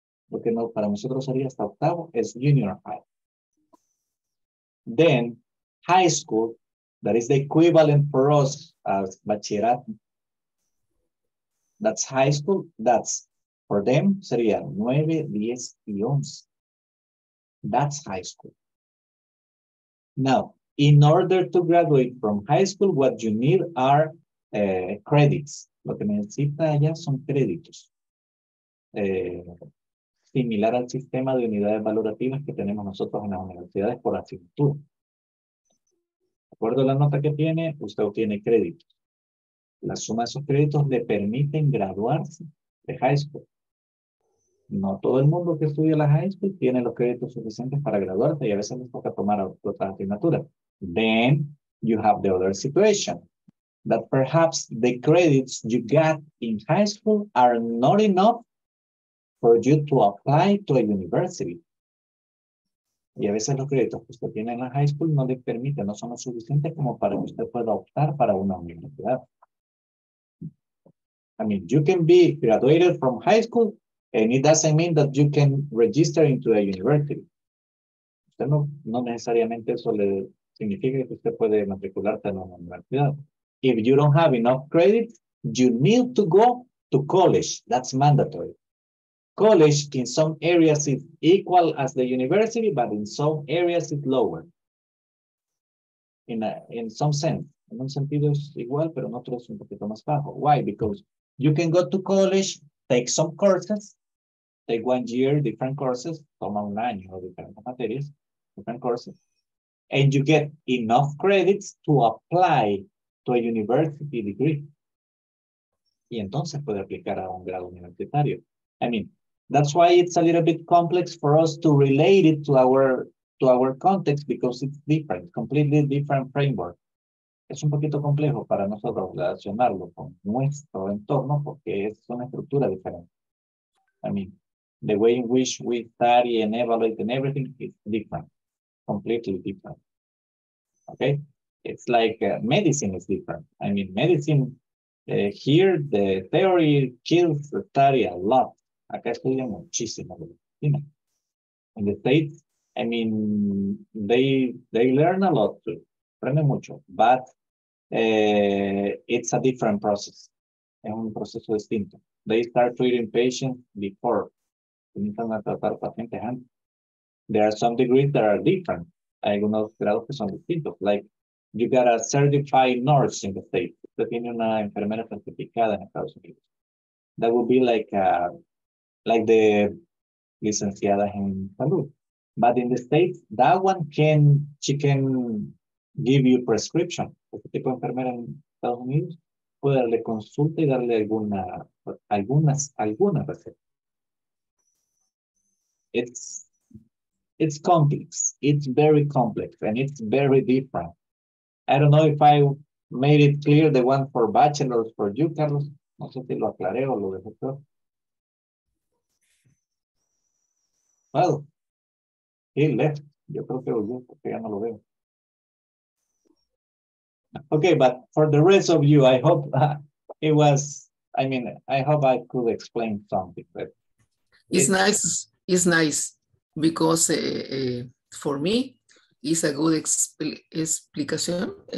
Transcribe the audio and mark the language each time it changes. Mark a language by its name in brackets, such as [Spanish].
[Spanish] Porque no, para nosotros sería hasta octavo, es junior high. [English] Then high school, that is the equivalent for us as bachillerato. That's high school. That's for them, [Spanish] sería 9, 10, y 11. [English] That's high school. Now, in order to graduate from high school, what you need are credits. [Spanish] Lo que necesita allá son créditos. Similar al sistema de unidades valorativas que tenemos nosotros en las universidades por asignatura. De acuerdo a la nota que tiene, usted obtiene créditos. La suma de esos créditos le permiten graduarse de high school. No todo el mundo que estudia la high school tiene los créditos suficientes para graduarse y a veces les toca tomar otra asignatura. [English] Then you have the other situation, that perhaps the credits you got in high school are not enough for you to apply to a university. [Spanish] Y a veces los créditos que usted tiene en la high school no le permiten, no son lo suficiente como para que usted pueda optar para una universidad. [English] I mean, you can be graduated from high school and it doesn't mean that you can register into a university. [Spanish] Usted no, no necesariamente eso le significa que usted puede matricularse en una universidad. [English] If you don't have enough credit, you need to go to college. That's mandatory. College in some areas is equal as the university, but in some areas it's lower. In some sense. [Spanish] En un sentido es igual, pero en otro es un poquito más bajo. [English] Why? Because you can go to college, take some courses, take 1 year, different courses, [Spanish] toma un año, diferentes materias, [English] different courses, and you get enough credits to apply to a university degree. [Spanish] Y entonces puede aplicar a un grado universitario. [English] I mean, that's why it's a little bit complex for us to relate it to our context, because it's different, completely different framework. [Spanish] Es un poquito complejo para nosotros relacionarlo con nuestro entorno porque es una estructura diferente. [English] I mean, the way in which we study and evaluate and everything is different, completely different. Okay? It's like medicine is different. I mean, medicine, here the theory kills the study a lot. [Spanish] Acá estudian muchísimo de medicina. [English] In the States, I mean, they learn a lot too. [Spanish] Aprende mucho, [English] but it's a different process. [Spanish] Es un proceso distinto. [English] They start treating patients before. [Spanish] Comienzan a tratar pacientes antes. [English] There are some degrees that are different. [Spanish] Hay algunos grados que son distintos. [English] Like, you got a certified nurse in the state. [Spanish] Usted tiene una enfermera certificada en Estados Unidos. [English] That would be like the [Spanish] licenciada en salud. [English] But in the States, that one can, she can give you prescription. [Spanish] Este tipo de enfermera en Estados Unidos puede darle consulta y darle alguna receta. [English] It's complex. It's very complex and it's very different. I don't know if I made it clear the one for bachelor's for you, Carlos. [Spanish] No sé si lo aclaré o lo dejé todo. [English] Well, he left. [Spanish] Yo creo que volvió porque ya no lo veo. [English] Okay, but for the rest of you, I hope it was, I mean, I hope I could explain something. But it's nice because for me, it's a good explanation.